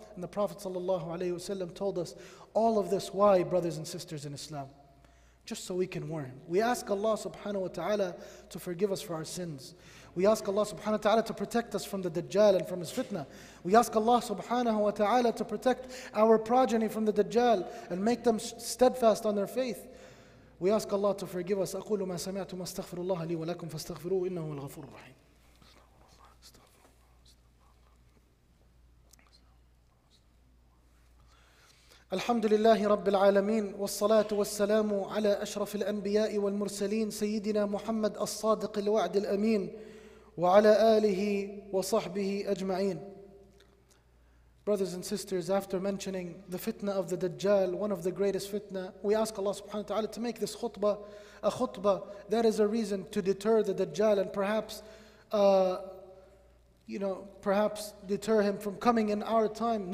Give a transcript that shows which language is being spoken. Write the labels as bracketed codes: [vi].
[en] And the Prophet sallallahu alayhi wasallam told us all of this. Why, brothers and sisters in Islam? Just so we can warn. We ask Allah subhanahu wa ta'ala to forgive us for our sins. We ask Allah subhanahu wa ta'ala to protect us from the Dajjal and from his fitna. We ask Allah subhanahu wa ta'ala to protect our progeny from the Dajjal and make them steadfast on their faith. We ask Allah to forgive us. [ar] أقول ما سمعت ما استغفر الله لي ولكم فاستغفروه إنه الغفور الرحيم. الحمد لله رب العالمين والصلاة والسلام على أشرف الأنبياء والمرسلين سيدنا محمد الصادق الوعد الأمين وعلى آله وصحبه أجمعين. [en] Brothers and sisters, after mentioning the fitna of the Dajjal, one of the greatest fitna, we ask Allah subhanahu wa ta'ala to make this khutbah a khutbah that is a reason to deter the Dajjal and perhaps deter him from coming in our time.